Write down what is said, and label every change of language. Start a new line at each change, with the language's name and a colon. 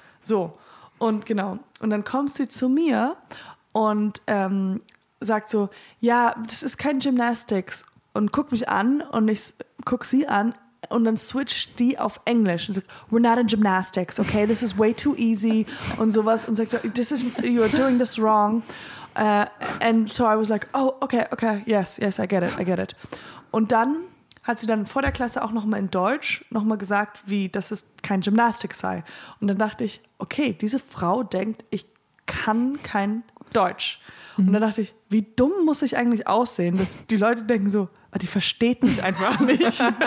German: So, und genau. Und dann kommt sie zu mir und sagt so, ja, das ist kein Gymnastics. Und guckt mich an und ich guck sie an und dann switcht die auf Englisch. Und sagt,
English: we're not in Gymnastics, okay? This is way too easy
German: und sowas. Und sagt,
English: this is, you're doing this wrong. And so I was like, oh, okay, okay, yes, yes, I get it, I get it.
German: Und dann hat sie dann vor der Klasse auch nochmal in Deutsch nochmal gesagt, wie das ist kein Gymnastics sei. Und dann dachte ich, okay, diese Frau denkt, ich kann kein Deutsch. Mhm. Und dann dachte ich, wie dumm muss ich eigentlich aussehen, dass die Leute denken so, ah, die versteht mich einfach nicht.